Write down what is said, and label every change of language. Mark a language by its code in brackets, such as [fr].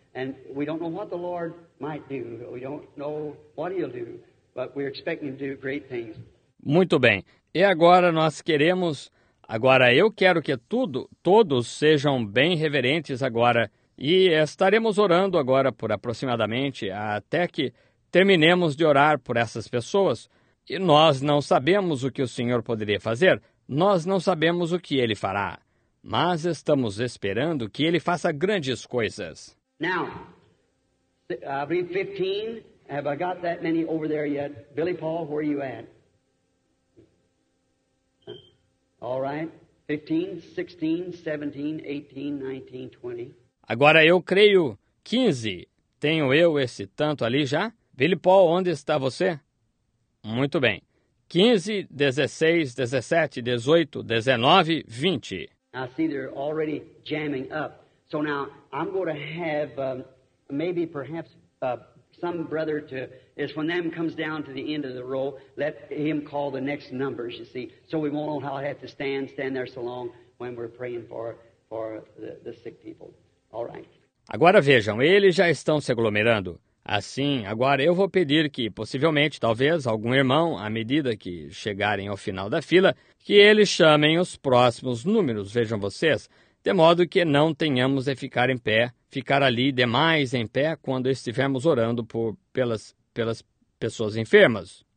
[en] And we don't know what the Lord might do. We don't know what he'll do, but we're expecting him to do great things. [pt] Muito bem. E agora nós queremos, agora eu quero que todos sejam bem reverentes agora, e estaremos orando agora por aproximadamente até que terminemos de orar por essas pessoas. E nós não sabemos o que o Senhor poderia fazer, nós não sabemos o que Ele fará, mas estamos esperando que Ele faça grandes coisas. [en] Now, I believe 15, have I got that many over there yet? Billy Paul, where are you at? All right. 15, 16, 17, 18, 19, 20. [pt] Agora eu creio 15. Tenho eu esse tanto ali já? Billy Paul, onde está você? Muito bem. 15, 16, 17, 18, 19, 20. [en] I see they're already jamming up. So now I'm going to have maybe perhaps some brother to, as when them comes down to the end of the row, let him call the next numbers, you see, so we won't all have to stand there so long when we're praying for the sick people. All right. [pt] Agora vejam, eles já estão se aglomerando. Assim, agora eu vou pedir que, possivelmente, talvez, algum irmão, à medida que chegarem ao final da fila, que eles chamem os próximos números, vejam vocês, de modo que não tenhamos de ficar em pé, ficar ali demais em pé quando estivermos orando pelas pessoas enfermas.